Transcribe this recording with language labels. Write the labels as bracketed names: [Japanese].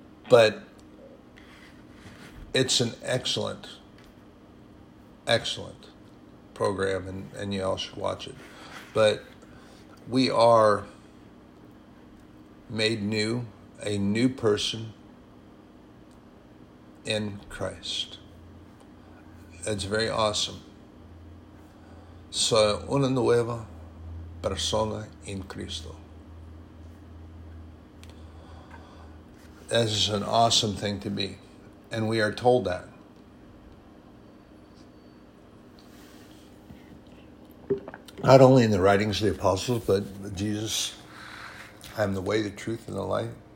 [English] But it's an excellent, excellent program, and you all should watch it. But we are made new, a new person in Christ. It's very awesome. [Spanish] Soy una nueva persona en Cristo. [English] This is an awesome thing to be. And we are told that. Not only in the writings of the apostles, but Jesus, I am the way, the truth, and the life.